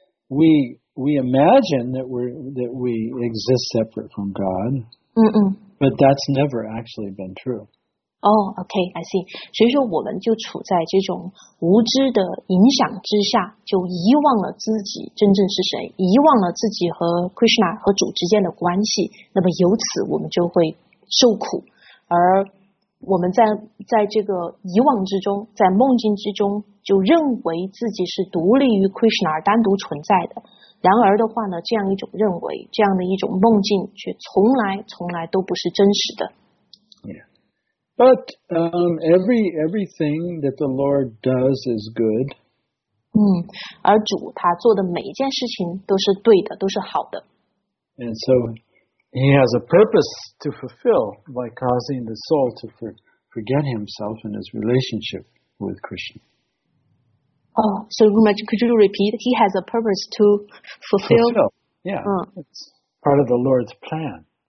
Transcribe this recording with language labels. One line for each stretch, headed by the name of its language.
English: We imagine that we exist separate from God. But that's never actually been true. Oh, okay, I see.
Chinese: 所以说我们就处在这种无知的影响之下，就遗忘了自己真正是谁，遗忘了自己和 Krishna 和主之间的关系。那么由此我们就会受苦，而我们在这个遗忘之中，在梦境之中，就认为自己是独立于 Krishna 而单独存在的。然而的话呢，这样一种认为，这样的一种梦境，却从来都不是真实的。
English: Yeah. But everything that the Lord does is good.
Chinese: 而主他做的每一件事情都是对的，都是好的。
English: And so he has a purpose to fulfill by causing the soul to forget himself and his relationship with Krishna. Oh, so Rumaji, could you repeat? He has a purpose to fulfill. Fulfill. Yeah, it's part of the Lord's plan.